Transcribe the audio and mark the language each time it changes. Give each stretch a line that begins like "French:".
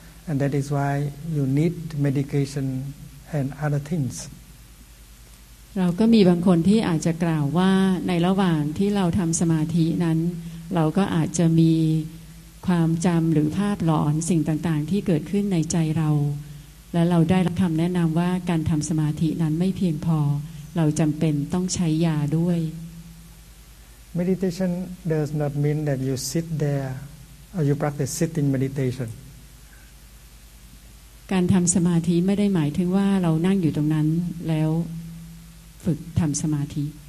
English: And that is why you need medication and other things.
Thai: เราก็มีบางคนที่อาจจะกล่าวว่าในระหว่างที่เราทำสมาธินั้นเราก็อาจจะมีความจำหรือภาพหลอนสิ่งต่างๆที่เกิดขึ้นในใจเราและเราได้รับคำแนะนำว่าการทำสมาธินั้นไม่เพียงพอเราจำเป็นต้องใช้ยาด้วย
English: Meditation does not mean that you sit there or you practice sitting meditation
Thai: การทำสมาธิไม่ได้หมายถึงว่าเรานั่งอยู่ตรงนั้นแล้วฝึกทำสมาธิ